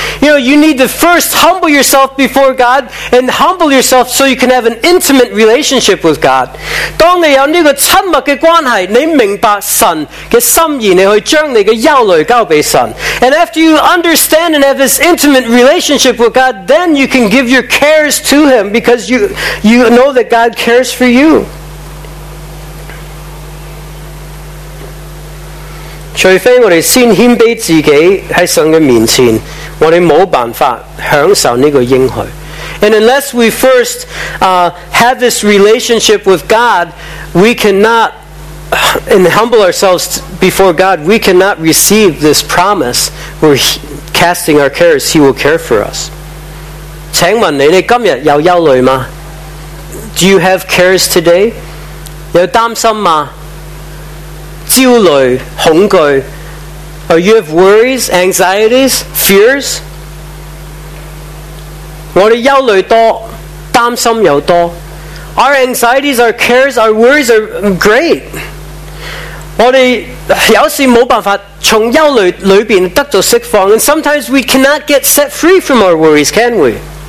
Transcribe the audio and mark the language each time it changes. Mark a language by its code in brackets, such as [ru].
[en] You know, you need to first humble yourself before God and humble yourself so you can have an intimate relationship with God. [zh] 当你有这个亲密的关系，你明白神的心意，你去将你的忧虑交给神。 [en] And after you understand and have this intimate relationship with God, then you can give your cares to Him because you know that God cares for you. [zh] 除非我们先谦卑自己在神的面前，我们没办法享受这个应许。 [en] And unless we first have this relationship with God, we cannot, and humble ourselves before God, we cannot receive this promise. We're casting our cares, He will care for us. [zh] 请问你，你今日有忧虑吗？ [en] Do you have cares today? [zh] 有担心吗？焦虑、恐惧？ [en] Or you have worries, anxieties, fears? [zh] 我们忧虑多，担心又多。 [en] Our anxieties, our cares, our worries are great. [zh] 我们有时没办法从忧虑里面得到释放。 [en] And sometimes we cannot get set free from our worries, can we?